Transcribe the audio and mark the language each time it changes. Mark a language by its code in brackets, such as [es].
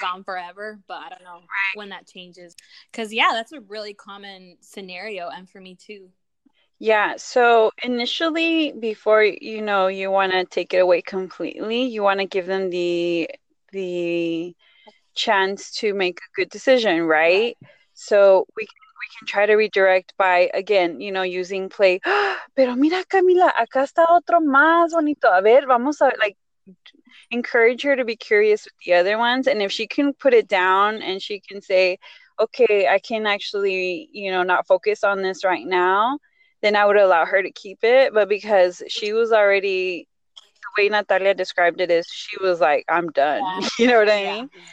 [en] gone forever. But I don't know right. when that changes. Because, yeah, that's a really common scenario. And for me, too. Yeah. So initially, before, you know, you want to take it away completely, you want to give them the chance to make a good decision. Right. So we can try to redirect by, again, using play. [es] Pero mira, Camila, acá está otro más bonito. A ver, vamos a, [en] like, encourage her to be curious with the other ones. And if she can put it down and she can say, okay, I can actually, not focus on this right now, then I would allow her to keep it. But because she was already, the way Natalia described it is she was like, I'm done. You know what I mean?